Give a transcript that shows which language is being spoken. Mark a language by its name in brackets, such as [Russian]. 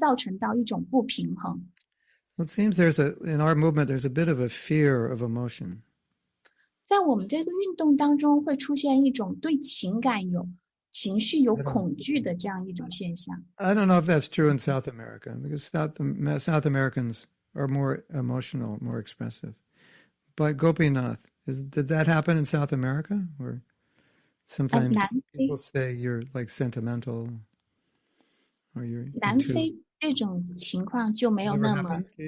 [Chinese] 男性他们就会觉得说，我更习惯于用头脑思维，胜于用情感思维，而女性他们是更善于用情感思维，胜过用理智来思维。而当人，就是当女性她用头脑的程度大于说使用情感的程度，这就会造成到一种不平衡。Well, [English] it seems there's a in our movement there's a bit of a fear of emotion. [Chinese] 在我们这个运动当中，会出现一种对情感有情绪有恐惧的这样一种现象。I [English] don't know if that's true in South America because South Americans are more emotional, more expressive. But Gopinath, did that happen in South America? Or sometimes people say you're like sentimental, or you're [Chinese] 南非这种情况就没有那么。